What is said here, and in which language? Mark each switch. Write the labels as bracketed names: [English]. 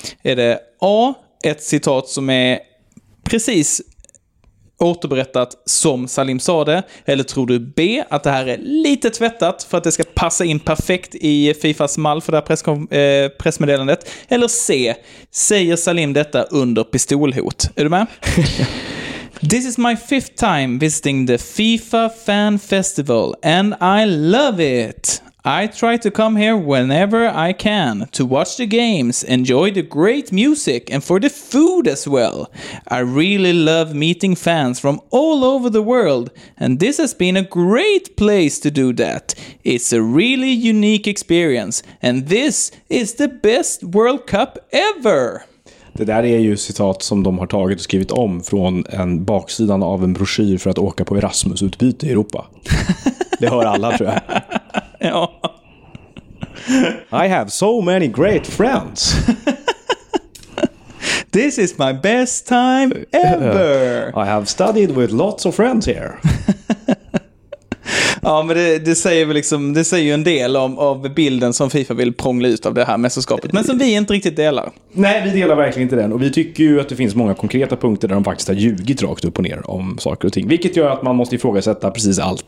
[Swedish] Är det A, ett citat som är precis återberättat som Salim sa det, eller tror du B, att det här är lite tvättat för att det ska passa in perfekt i FIFAs mall för det här pressmeddelandet, eller C, säger Salim detta under pistolhot? Är du med? [English] This is my fifth time visiting the FIFA Fan Festival and I love it. I try to come here whenever I can to watch the games, enjoy the great music and for the food as well. I really love meeting fans from all over the world and this has been a great place to do that. It's a really unique experience and this is the best World Cup ever. [Swedish] Det där är ju citat som de har tagit och skrivit om från en baksidan av en broschyr för att åka på Erasmus-utbyte i Europa. Det hör alla, tror jag. Ja. [English] I have so many great friends. This is my best time ever. I have studied with lots of friends here. [Swedish] Ja, men det säger väl liksom, det säger ju en del av bilden som FIFA vill prångla ut av det här mästerskapet, men som vi inte riktigt delar. Nej, vi delar verkligen inte den, och vi tycker ju att det finns många konkreta punkter där de faktiskt har ljugit rakt upp och ner om saker och ting, vilket gör att man måste ifrågasätta precis allt.